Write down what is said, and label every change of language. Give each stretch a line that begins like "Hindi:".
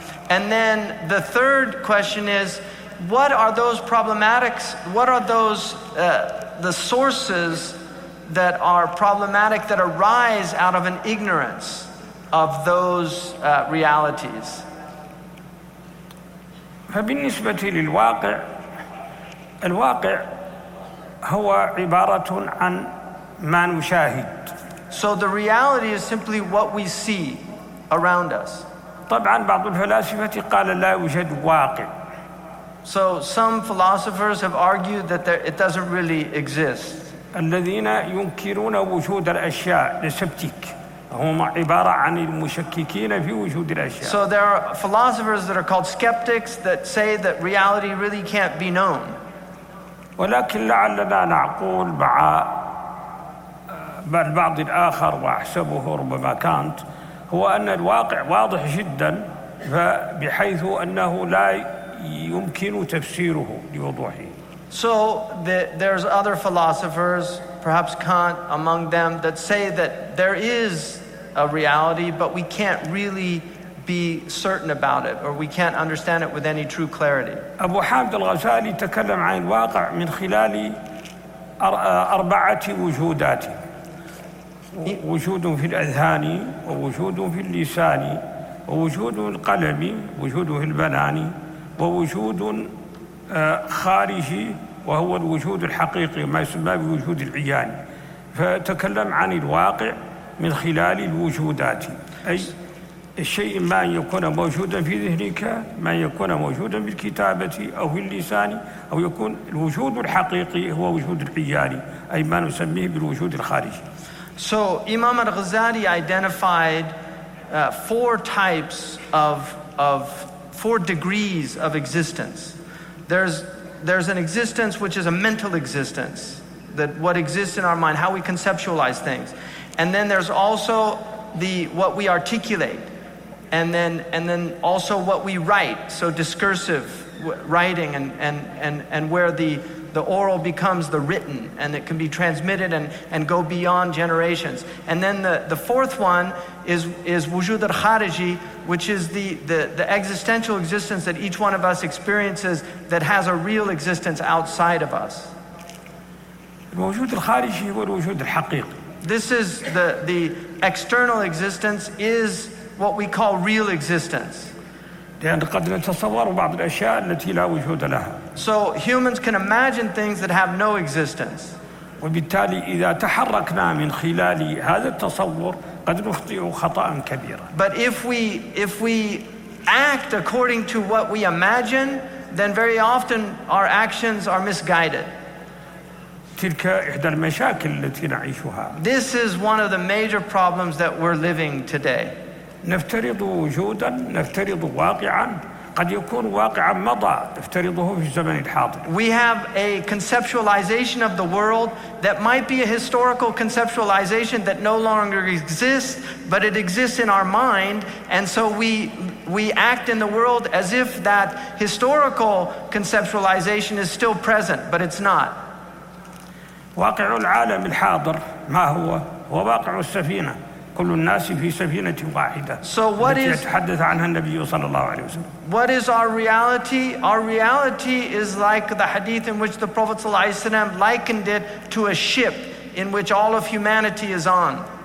English: And then the third question is, what are those problematics? What are those the sources that are problematic that arise out of an ignorance of those realities?
Arabic: فبالنسبة للواقع, الواقع هو عبارة عن ما نشاهد.
English: So the reality is simply what we see around us.
Arabic: طبعا بعض الفلاسفة قال لا يوجد واقع.
English: So some philosophers have argued that it doesn't really exist.
Arabic: الذين ينكرون وجود الأشياء السبتيك هم عبارة عن المشككين في وجود الأشياء.
English: So there are philosophers that are called skeptics that say that reality really can't be known.
Arabic: ولكن لعلنا نعقول مع البعض الآخر وأحسبه ربما كانت هو أن الواقع واضح جدا بحيث أنه لا يمكن تفسيره لوضوحه.
English: So there's other philosophers, perhaps Kant among them, that say that there is a reality, but we can't really be certain about it, or we can't understand it with any true clarity.
Arabic: أبو حامد الغزالي تكلم عن الواقع من خلال أربعة وجودات. وجود في الأذهان ووجود في اللسان ووجود القلم وجود في البنان ووجود خارجي وهو الوجود الحقيقي ما يسمى بوجود العيان. فتكلم عن الواقع من خلال الوجودات, أي الشيء ما يكون موجودا في ذهنك, ما يكون موجودا بالكتابة أو في اللسان, أو يكون الوجود الحقيقي هو وجود العيان, أي ما نسميه بالوجود الخارجي.
English: So Imam al-Ghazali identified four types of four degrees of existence. There's an existence which is a mental existence, that what exists in our mind, how we conceptualize things. And then there's also the what we articulate, and then also what we write, so discursive writing and where the oral becomes the written, and it can be transmitted and go beyond generations. And then the fourth one is wujud al-khariji, which is the existential existence that each one of us experiences that has a real existence outside of us.
Arabic: الوجود الخارجي هو الوجود الحقيقي.
English: This is the external existence is what we call real existence.
Arabic: لأن قد نتصور بعض الأشياء التي لا وجود لها.
English: So humans can imagine things that have no existence.
Arabic: وبالتالي إذا تحركنا من خلال هذا التصور قد نخطئ خطأ كبيرا.
English: But if we act according to what we imagine, then very often our actions are misguided.
Arabic: تلك إحدى المشاكل التي نعيشها.
English: This is one of the major problems that we're living today.
Arabic: نفترض وجودا, نفترض واقعا, قد يكون واقعا مضى افترضه في الزمن الحاضر.
English: We have a conceptualization of the world that might be a historical conceptualization that no longer exists, but it exists in our mind, and so we act in the world as if that historical conceptualization is still present, but it's not.
Arabic: واقع العالم الحاضر ما هو؟ هو واقع السفينة. كل الناس في سفينة واحدة.
English: So what is
Arabic: يتحدث عنها النبي صلى الله عليه وسلم.
English: What is our reality? Our reality is like the hadith in which the Prophet
Arabic: صلى الله عليه وسلم
English: likened it to a ship in which all of humanity is on.